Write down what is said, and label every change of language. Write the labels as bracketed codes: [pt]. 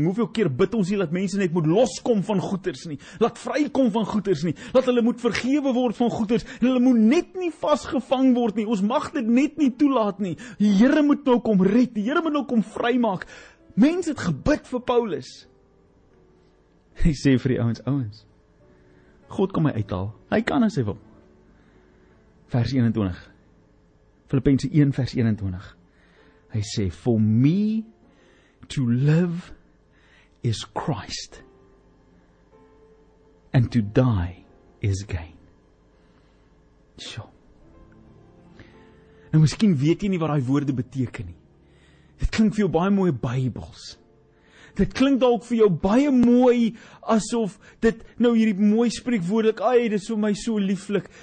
[af] Hoeveel keer bid ons nie dat mense net moet loskom van goeders nie. Laat vrykom van goeders nie. Laat hulle moet vergewe word van goeders. Hulle moet net nie vasgevang word nie. Ons mag dit net nie toelaat nie. Die Here moet nou kom red. Die Here moet nou kom vrymaak. Mense het gebid vir Paulus. Hy sê vir die ouens, God kan my uithaal, hy kan as hy wil. Vers 21, Filippense 1 vers 21, hy sê, [en] for me to live is Christ, and to die is gain. [af] Sjo. Nou, miskien weet jy nie wat die woorde beteken nie. Dit klink vir jou baie mooie Bybels. Dit klink dalk vir jou baie mooi, asof dit nou hierdie mooi spreekwoordelik, ai, dit is vir my so lieflik.